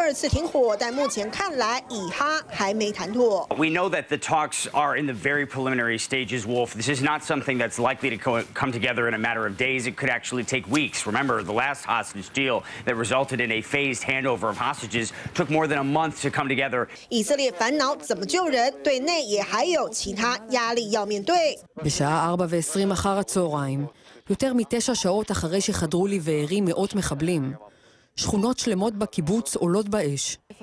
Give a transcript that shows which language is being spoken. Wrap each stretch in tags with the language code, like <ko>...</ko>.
<zh>幸存民众在惊恐中求生存，继续活在水深火热当中。就连小孩都得拿锅碗瓢盆、大排长龙领取勉强能充饥的食物。加萨人期盼二次停火，但目前看来以哈还没谈妥。</zh> <en>We know that the talks are in the very preliminary stages, Wolf. This is not something that's likely to come together in a matter of days. It could actually take weeks. Remember, the last hostage deal that resulted in a phased handover of hostages took more than a month to come together.</en> <zh>以色列烦恼怎么救人，对内也还有其他压力要面对。</zh> <he>בשעה 4:20 אחר הצהריים, יותר מ9 שעות אחרי שחדרו לבארי מאות מחבלים. שכונות שלמות בקיבוץ עולות באש.</he>